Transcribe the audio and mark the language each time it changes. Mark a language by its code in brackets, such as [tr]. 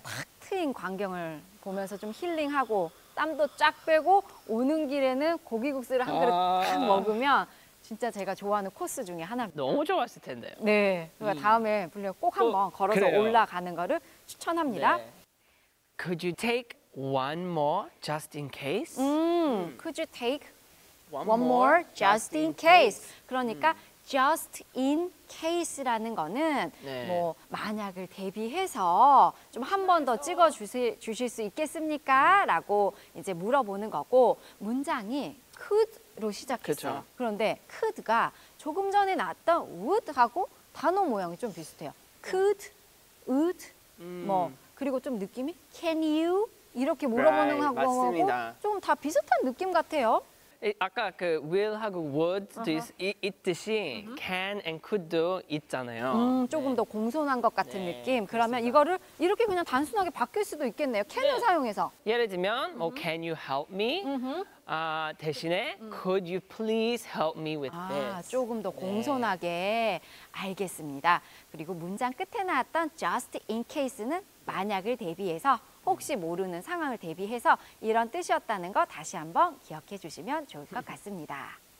[ko] 탁 트인 광경을 보면서 좀 힐링하고 땀도 쫙 빼고 오는 길에는 고기국수를 한 그릇 탁 먹으면 진짜 제가 좋아하는 코스 중에 하나입니다. 너무 좋았을 텐데요. 네. 그러니까 다음에 분명 꼭 한번 걸어서 그래요. 올라가는 거를 추천합니다. 네. [en] Could you take one more just in case? Could you take One more just in case. [ko] 그러니까 just in case라는 거는 네. 뭐 만약을 대비해서 좀 한 번 더 찍어 주실 수 있겠습니까? 라고 이제 물어보는 거고 문장이 could로 시작했어요. 그쵸. 그런데 could가 조금 전에 나왔던 would하고 단어 모양이 좀 비슷해요. could, would, 뭐 그리고 좀 느낌이 can you 이렇게 물어보는 [en] right, [ko] 거하고 좀 다 비슷한 느낌 같아요. 아까 그 will 하고 would도 있듯이 can and could도 있잖아요. 조금 네. 더 공손한 것 같은 네, 느낌. 그러면 그렇습니다. 이거를 이렇게 그냥 단순하게 바뀔 수도 있겠네요. can을 네. 사용해서. 예를 들면 뭐 [en] can you help me? [ko] 아, 대신에 [en] could you please help me with this? [ko] 조금 더 공손하게 네. 알겠습니다. 그리고 문장 끝에 나왔던 just in case는 만약을 대비해서 혹시 모르는 상황을 대비해서 이런 뜻이었다는 거 다시 한번 기억해 주시면 좋을 것 같습니다.